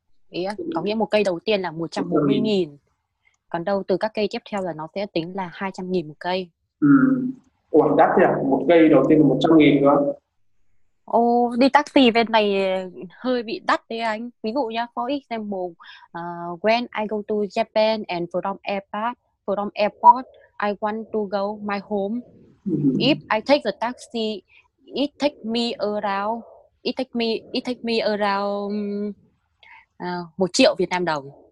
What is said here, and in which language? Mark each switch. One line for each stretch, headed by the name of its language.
Vietnamese: Yeah, có nghĩa một cây đầu tiên là 140,000. Còn đâu từ các cây tiếp theo là nó sẽ tính là 200,000 một cây. Ủa đắt nhỉ, một cây đầu tiên là 100,000 cơ. Ồ, đi taxi bên này hơi bị đắt đấy anh. Ví dụ nha,
English: for example, when I go to Japan and from airport, I want to go my home. Mm-hmm. If I take the taxi, it takes me around it takes me around 1
Vietnamese: triệu Việt Nam đồng.